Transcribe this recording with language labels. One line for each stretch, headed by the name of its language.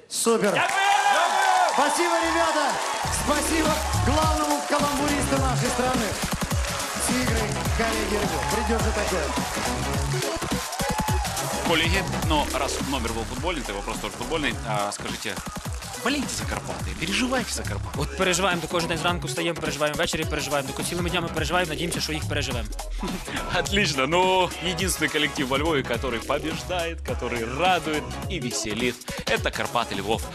Russian: Супер! Спасибо, ребята! Спасибо главному каламбуристу нашей страны. Тигры, коллеги львов. Придет же такое. Коллеги, но раз номер был футбольный, то вопрос тоже футбольный. А скажите, болейте за Карпати, переживайте за Карпати.
Ukrainian: От переживаємо, то кожен день зранку встаємо, переживаємо, ввечері переживаємо, то цілими днями переживаємо, надіємося, що їх переживемо.
Russian: Отлично, ну, единственный коллектив во Львові, который побеждает, который радует и веселит, это Карпати Львов.